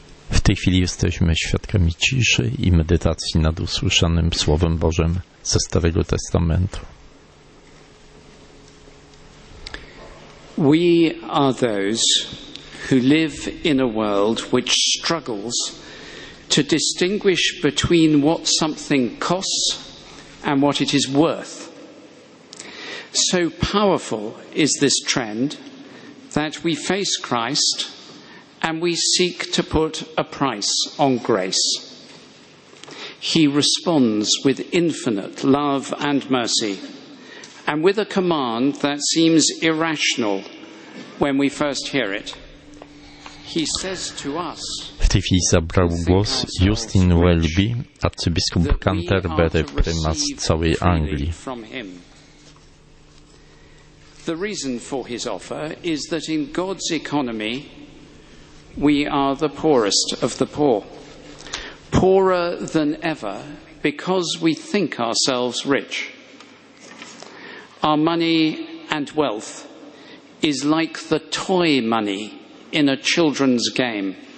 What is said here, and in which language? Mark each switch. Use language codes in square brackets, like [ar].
[pl] W tej chwili jesteśmy świadkami ciszy i medytacji nad usłyszanym Słowem Bożym ze Starego Testamentu. [en] We are those who live in a world which struggles to distinguish between what something costs and what it is worth. so powerful is this trend that we face Christ and we seek to put a price on grace. He responds with infinite love and mercy, and with a command that seems irrational when we first hear it. He says to us, [pl] w tej chwili zabrał głos Justin Welby, arcybiskup Canterbury, prymas całej Anglii. [en] The reason for his offer is that in God's economy we are the poorest of the poor. Poorer than ever because we think ourselves rich. Our money and wealth is like the toy money in a children's game.